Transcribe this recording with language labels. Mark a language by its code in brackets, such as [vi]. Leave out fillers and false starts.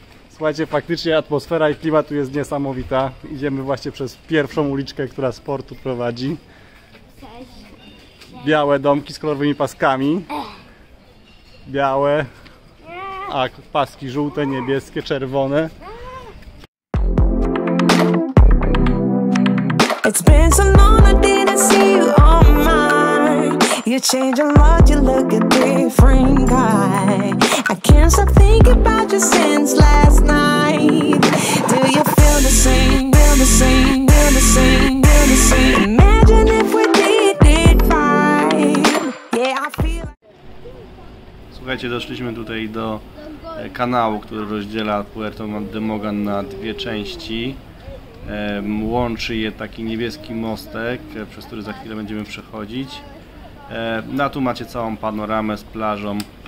[pl] Słuchajcie, faktycznie atmosfera i klimat tu jest niesamowita. Idziemy właśnie przez pierwszą uliczkę, która z portu prowadzi. Białe domki z kolorowymi paskami. Białe. A paski żółte, niebieskie, czerwone. [en] It's been so long I didn't see you on my. You change a lot, you look a different guy. I can't stop thinking about you since last night. Do you feel the same? Feel the same? Feel the same? Feel the same? Imagine if we did it right. Yeah, I feel. [pl] Słuchajcie, doszliśmy tutaj do kanału, który rozdziela Puerto de Mogán na dwie części. Łączy je taki niebieski mostek, przez który za chwilę będziemy przechodzić. Na tu macie całą panoramę z plażą.